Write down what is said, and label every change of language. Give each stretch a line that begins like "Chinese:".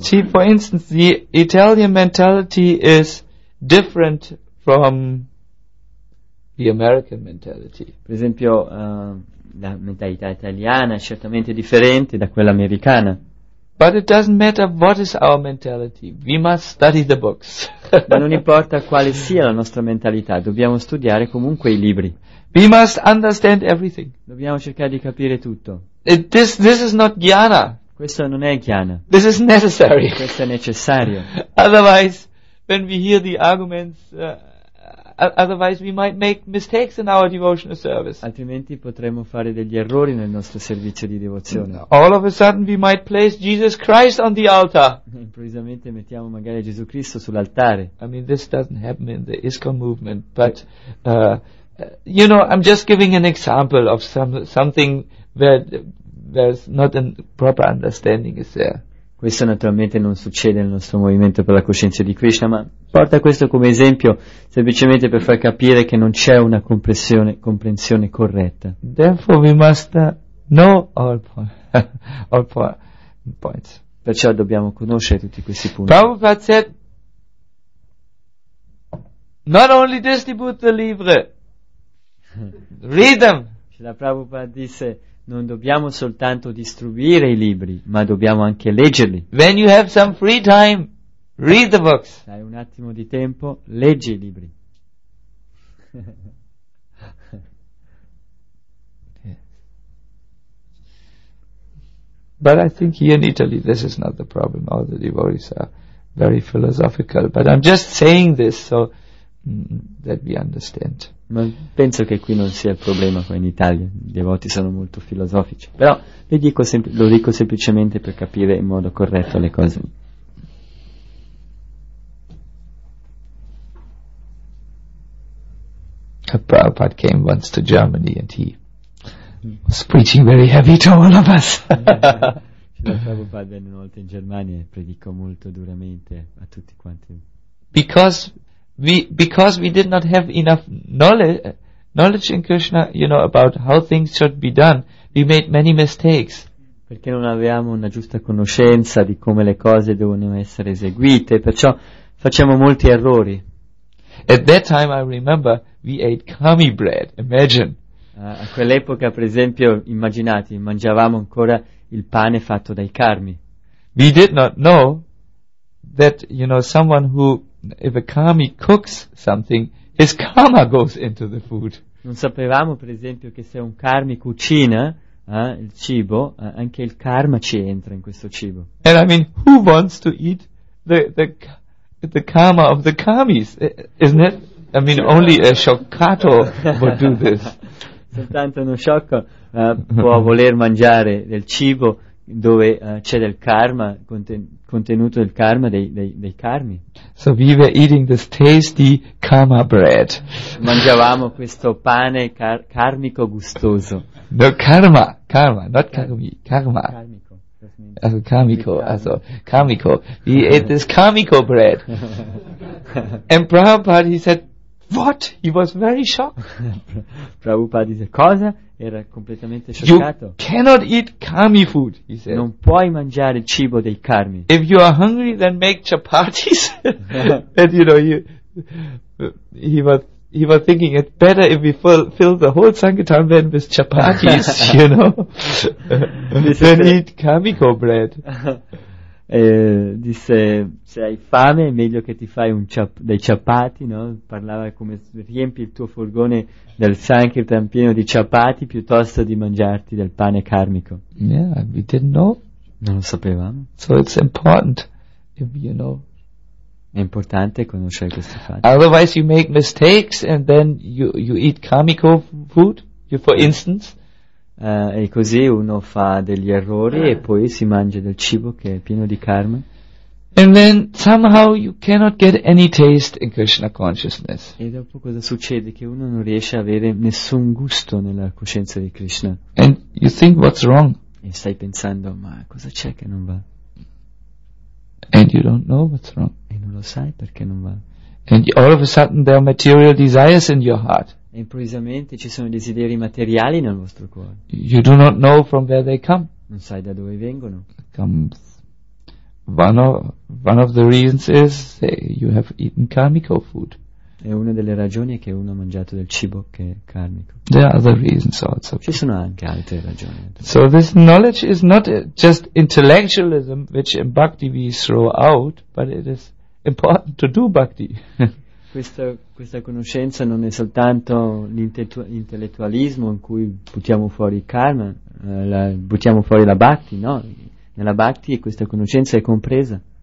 English: See, for instance, the Italian mentality is different from the American mentality.
Italian: Per esempio, la mentalità italiana è certamente differente da quella americana.
English: But it doesn't matter what is our mentality. We must study the books.
Italian: Ma non importa quale sia la nostra mentalità, dobbiamo studiare comunque i libri.
English: We must understand everything.
Italian: Dobbiamo cercare di capire tutto.
English: This is not jnana.
Italian: Questo non è jnana.
English: This is necessary.
Italian: Questo è necessario.
English: Otherwise, when we hear the arguments, otherwise we might make mistakes in our devotional service.
Italian: Altrimenti potremmo fare degli errori nel nostro servizio di devozione.
English: All of a sudden we might place Jesus Christ on the altar.
Italian: Improvvisamente mettiamo magari Gesù Cristo sull'altare.
English: I mean, this doesn't happen in the ISKCON movement, but you know, I'm just giving an example of something where there's not a proper understanding is there.
Italian: Questo naturalmente non succede nel nostro movimento per la coscienza di Krishna, ma porta questo come esempio semplicemente per far capire che non c'è una comprensione corretta.
English: Therefore we must know all points.
Italian: Perciò dobbiamo conoscere tutti questi punti.
English: Prabhupada said, not only distribute the libri, read them.
Italian: La Prabhupada disse, non dobbiamo soltanto distribuire i libri, ma dobbiamo anche leggerli.
English: When you have some free time, read the books.
Italian: Hai un attimo di tempo, leggi i libri.
English: But I think here in Italy this is not the problem. All the devotees are very philosophical. But I'm just saying this so that we understand.
Italian: Ma penso che qui non sia il problema qua in Italia, i devoti sono molto filosofici, però lo dico semplicemente per capire in modo corretto le cose.
English: Prabhupada came once to Germany and he was preaching very heavy to all of us.
Italian: Prabhupada venne una volta in Germania e predicò molto duramente a tutti quanti.
English: Because we did not have enough knowledge in Krishna, you know, about how things should be done, we made many mistakes.
Italian: Perché non avevamo una giusta conoscenza di come le cose devono essere eseguite, perciò facciamo molti errori.
English: At that time, I remember, we ate kami bread, imagine.
Italian: A quell'epoca, per esempio, immaginate, mangiavamo ancora il pane fatto dai karmi.
English: We did not know that, you know, someone who... If a kami cooks something, his karma goes into the food.
Italian: Non sapevamo, per esempio, che se un karmi cucina il cibo, anche il karma ci entra in questo cibo.
English: And I mean, who wants to eat the karma of the kamis? Isn't it? I mean, only a scioccato would do this.
Italian: Soltanto uno sciocco può voler mangiare del cibo dove c'è del karma, contenuto del karma dei karmi.
English: So we were eating this tasty karma bread.
Italian: Mangiavamo questo pane karmico gustoso.
English: No, karma, not karmi, karma.
Italian: Karmico.
English: Also karmico, also karmico. We ate this karmico bread. And Prabhupada, he said, what? He was very shocked.
Italian: Prabhupada dice, cosa? Era completamente scioccato.
English: You cannot eat karmi food, he said.
Italian: Non puoi mangiare il cibo dei karmi.
English: If you are hungry, then make chapatis. And you know, he was thinking it's better if we fill the whole Sankirtan van with chapatis, you know, than eat karmico bread.
Italian: Disse, se hai fame è meglio che ti fai dei chapati, no? Parlava come riempi il tuo furgone del Sankirtan pieno di chapati piuttosto di mangiarti del pane karmico.
English: Yeah, we didn't know.
Italian: Non lo sapevamo.
English: So it's important if you know.
Italian: È importante conoscere questi fatti.
English: Otherwise you make mistakes and then you eat karmico food, you, for instance.
Italian: E così uno fa degli errori e poi si mangia del cibo che è pieno di karma.
English: And then somehow you cannot get any taste in Krishna consciousness.
Italian: E dopo cosa succede? Che uno non riesce a avere nessun gusto nella coscienza di Krishna.
English: And you think, what's wrong?
Italian: E stai pensando, ma cosa c'è che non va?
English: And you don't know what's wrong.
Italian: E non lo sai perché non va.
English: And all of a sudden there are material desires in your heart.
Italian: E improvvisamente ci sono desideri materiali nel vostro cuore.
English: You do not know from where they come.
Italian: Non sai da dove vengono.
English: One of the reasons is you have eaten karmico food.
Italian: E una delle ragioni è che uno ha mangiato del cibo che è karmico.
English: There are other reasons also.
Italian: Ci sono anche altre ragioni.
English: So this knowledge is not just intellectualism which in bhakti we throw out, but it is important to do bhakti.
Italian: Questa conoscenza non è soltanto l'intellettualismo in cui buttiamo fuori il karma, buttiamo fuori la bhakti, no? Nella bhakti questa conoscenza è compresa.